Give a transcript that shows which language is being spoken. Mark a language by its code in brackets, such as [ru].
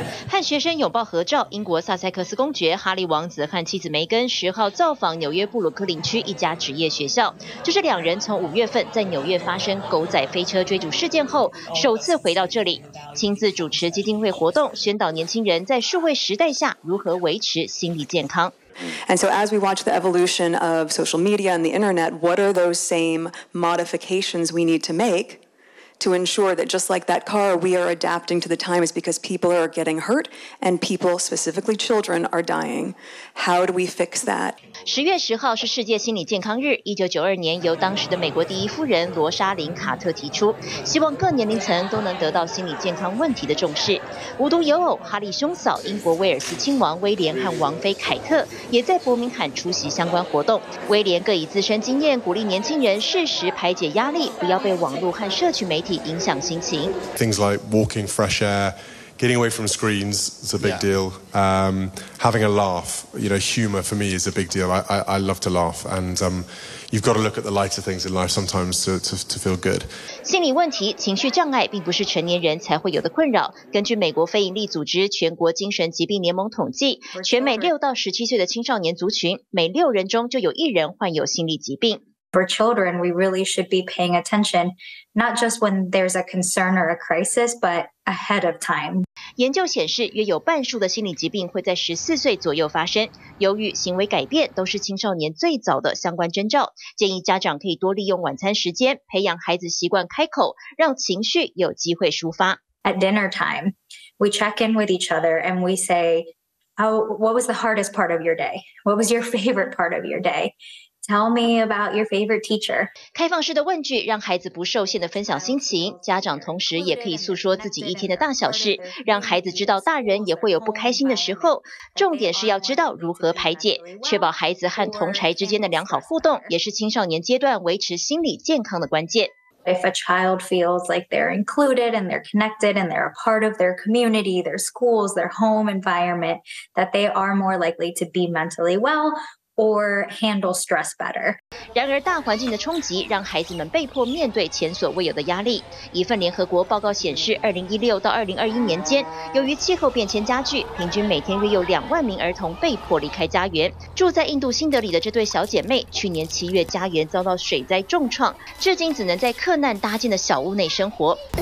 [zh] 和学生拥抱合照，英国萨塞克斯公爵哈利王子和妻子梅根10号造访纽约布鲁克林区一家职业学校。这是两人从5月份在纽约发生狗仔飞车追逐事件后首次回到这里，亲自主持基金会活动，宣导年轻人在数位时代下如何维持心理健康。 [en] And so as we watch the evolution of social media and the internet, what are those same modifications we need to make? To ensure that just like that car, we are adapting to the times because people are getting hurt and people, specifically children, are dying. How do we fix that? [zh] 10月10号是世界心理健康日，1992年由当时的美国第一夫人罗莎琳·卡特提出，希望各年龄层都能得到心理健康问题的重视。无独有偶，哈利兄嫂英国威尔斯亲王威廉和王妃凯特也在伯明翰出席相关活动。威廉各以自身经验鼓励年轻人适时排解压力，不要被网络和社群媒体影响心情。 [en] Things like walking fresh air, Getting away from screens is a big deal. Having a laugh, you know, humor for me is a big deal. I love to laugh. And you've got to look at the lighter things in life sometimes to feel good. [zh] 心理问题、情绪障碍并不是成年人才会有的困扰。根据美国非营利组织全国精神疾病联盟统计，全美六到十七岁的青少年族群，每六人中就有一人患有心理疾病。 [en] For children, we really should be paying attention, not just when there's a concern or a crisis, but ahead of time. [zh] 研究显示，约有半数的心理疾病会在十四岁左右发生。忧郁、行为改变都是青少年最早的相关征兆。建议家长可以多利用晚餐时间，培养孩子习惯开口，让情绪有机会抒发。 [en] At dinner time, we check in with each other and we say, "How? What was the hardest part of your day? What was your favorite part of your day?" Tell me about your favorite teacher. [zh] 开放式的问句让孩子不受限地分享心情，家长同时也可以诉说自己一天的大小事，让孩子知道大人也会有不开心的时候。重点是要知道如何排解，确保孩子和同侪之间的良好互动，也是青少年阶段维持心理健康的关键。 [en] If a child feels like they're included and they're connected and they're a part of their community, their schools, their home environment, that they are more likely to be mentally well. Or handle stress better. [zh] 然而，大环境的冲击让孩子们被迫面对前所未有的压力。一份联合国报告显示，2016到2021年间，由于气候变迁加剧，平均每天约有20000名儿童被迫离开家园。住在印度新德里的这对小姐妹，去年七月家园遭到水灾重创，至今只能在克难搭建的小屋内生活。